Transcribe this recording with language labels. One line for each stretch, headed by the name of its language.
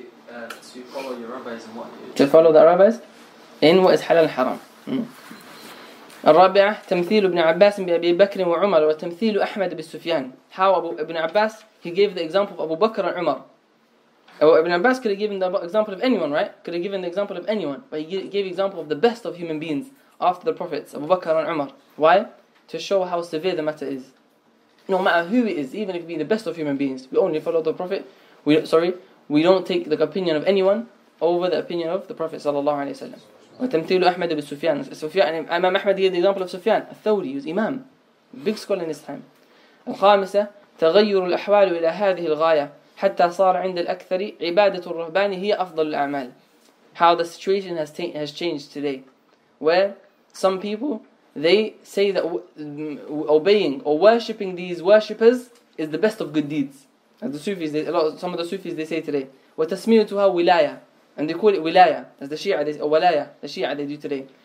English: To follow your rabbis and what you... To follow the rabbis in what is halal haram.
Arabic: الرابعة تمثيل ابن عباس بأبي بكر وعمر وتمثيل أحمد بالسفيان.
English: How Abu Ibn Abbas, he gave the example of Abu Bakr and Umar. Abu Ibn Abbas could have given the example of anyone, right? Could have given the example of anyone. But he gave example of the best of human beings after the prophets, Abu Bakr and Umar. Why? To show how severe the matter is. No matter who it is, even if it be the best of human beings, we only follow the Prophet. We don't take the opinion of anyone over the opinion of the Prophet sallallahu alaihi wasallam.
Arabic: وتمثيل أحمد بالسفيان.
English: سفيان إمام أحمد gave the example of سفيان الثوري, was Imam, big scholar in his time.
Arabic: الخامسة تغير الأحوال إلى هذه الغاية حتى صار عند الأكثر عبادة الرهبان هي أفضل الأعمال.
English: How the situation has changed today, where some people they say that obeying or worshipping these worshippers is the best of good deeds. As the Sufis, some of the Sufis they say today,
Arabic: وتسميتها ولاية.
English: And they call it wilaya, as the Shia, or walaya, the Shia they do today.